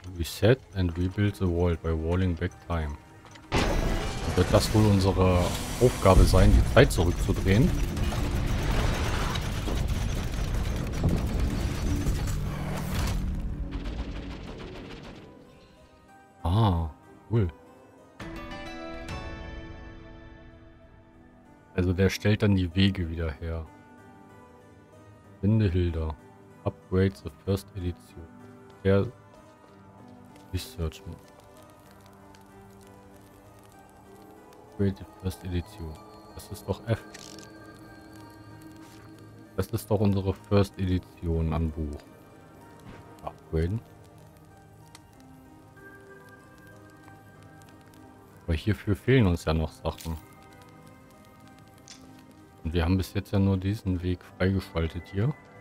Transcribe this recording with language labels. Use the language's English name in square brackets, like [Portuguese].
[English] Reset and rebuild the world by walling back time. [German] Wird das wohl unsere Aufgabe sein, die Zeit zurückzudrehen? Ah, cool. Also der stellt dann die Wege wieder her. Finde Hilda. [English] Upgrade the first edition. [German] Der Research Mode. [English] Upgrade the first edition. [German] Das ist doch F. Das ist doch unsere first edition am Buch. Upgraden. Aber hierfür fehlen uns ja noch Sachen. Und wir haben bis jetzt ja nur diesen Weg freigeschaltet hier.